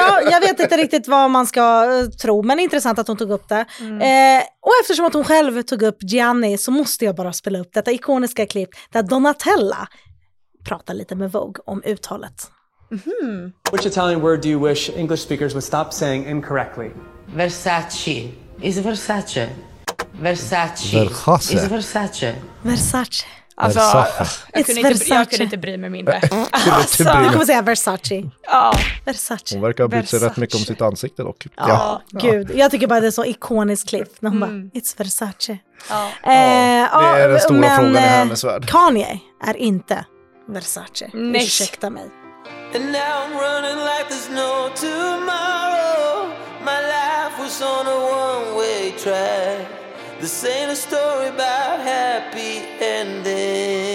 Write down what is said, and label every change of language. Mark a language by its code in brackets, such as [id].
[sv] Jag vet inte riktigt vad man ska tro, men det är intressant att hon tog upp det. Mm. Och eftersom att hon själv tog upp Gianni så måste jag bara spela upp detta ikoniska klipp där Donatella pratar lite med Vogue om uttalet. Mm-hmm. [en] Which Italian word do you wish English speakers would stop saying incorrectly? Versace. Is Versace? Versace. Versace. Is Versace? Versace. [sv] Alltså, jag kunde inte bry mig mindre. Alltså. Jag kommer säga Versace. Versace. Hon verkar ha bytt sig rätt mycket om sitt ansikte dock. Ja. Ja. Gud, jag tycker bara det är så ikonisk klipp. När hon bara, [en] it's Versace. [sv] Ja. Det är den stora frågan i hennes värld. Kanye är inte Versace. Nej. Ursäkta mig. [en] And now I'm running like there's no tomorrow. My life was on a one-way track. This ain't a story about happy endings.